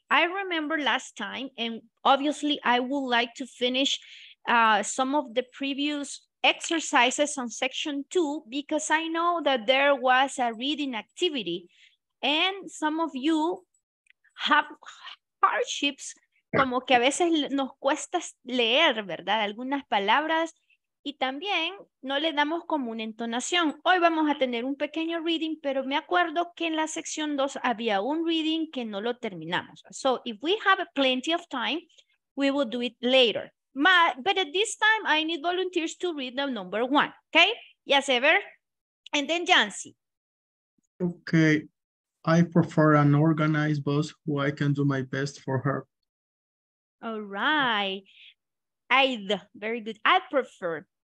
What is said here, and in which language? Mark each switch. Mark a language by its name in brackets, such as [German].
[English] I remember last time, and obviously I would like to finish some of the previous exercises on section 2 because I know that there was a reading activity and some of you have hardships, como que a veces nos cuesta leer, ¿verdad? [Spanish] Algunas palabras. Y también no le damos como una entonación. Hoy vamos a tener un pequeño reading, pero me acuerdo que en la sección 2 había un reading que no lo terminamos. [English] So if we have plenty of time, we will do it later. But at this time, I need volunteers to read the number 1. Okay? Yes, Ever. And then Jancy. Okay. I prefer an organized boss who I can do my best for her. All right. I'd, very good. I prefer.